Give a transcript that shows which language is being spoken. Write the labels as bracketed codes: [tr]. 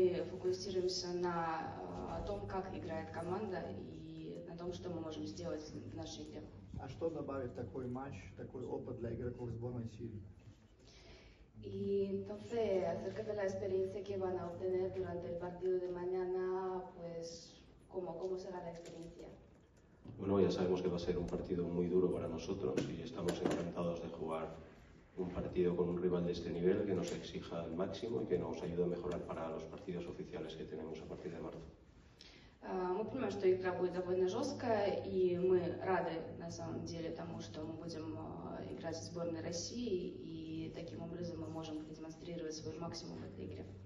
[ru] фокусируемся на том, как играет команда и на том, что мы можем сделать в нашей игре. А что добавит такой матч, такой опыт для игроков сборной Сирии? [es] Y entonces, acerca de la experiencia que van a obtener durante el partido de mañana, pues, ¿cómo será la experiencia? Bueno, ya sabemos que va a ser un partido muy duro para nosotros y estamos encantados de jugar un partido con un rival de este nivel que nos exija al máximo y que nos ayude a mejorar para los partidos oficiales que tenemos a partir de marzo. [ru] Мы понимаем, что игра будет довольно жесткая, и мы рады, на самом деле, тому, что мы будем играть в сборной России, и таким образом мы можем продемонстрировать свой максимум в этой игре.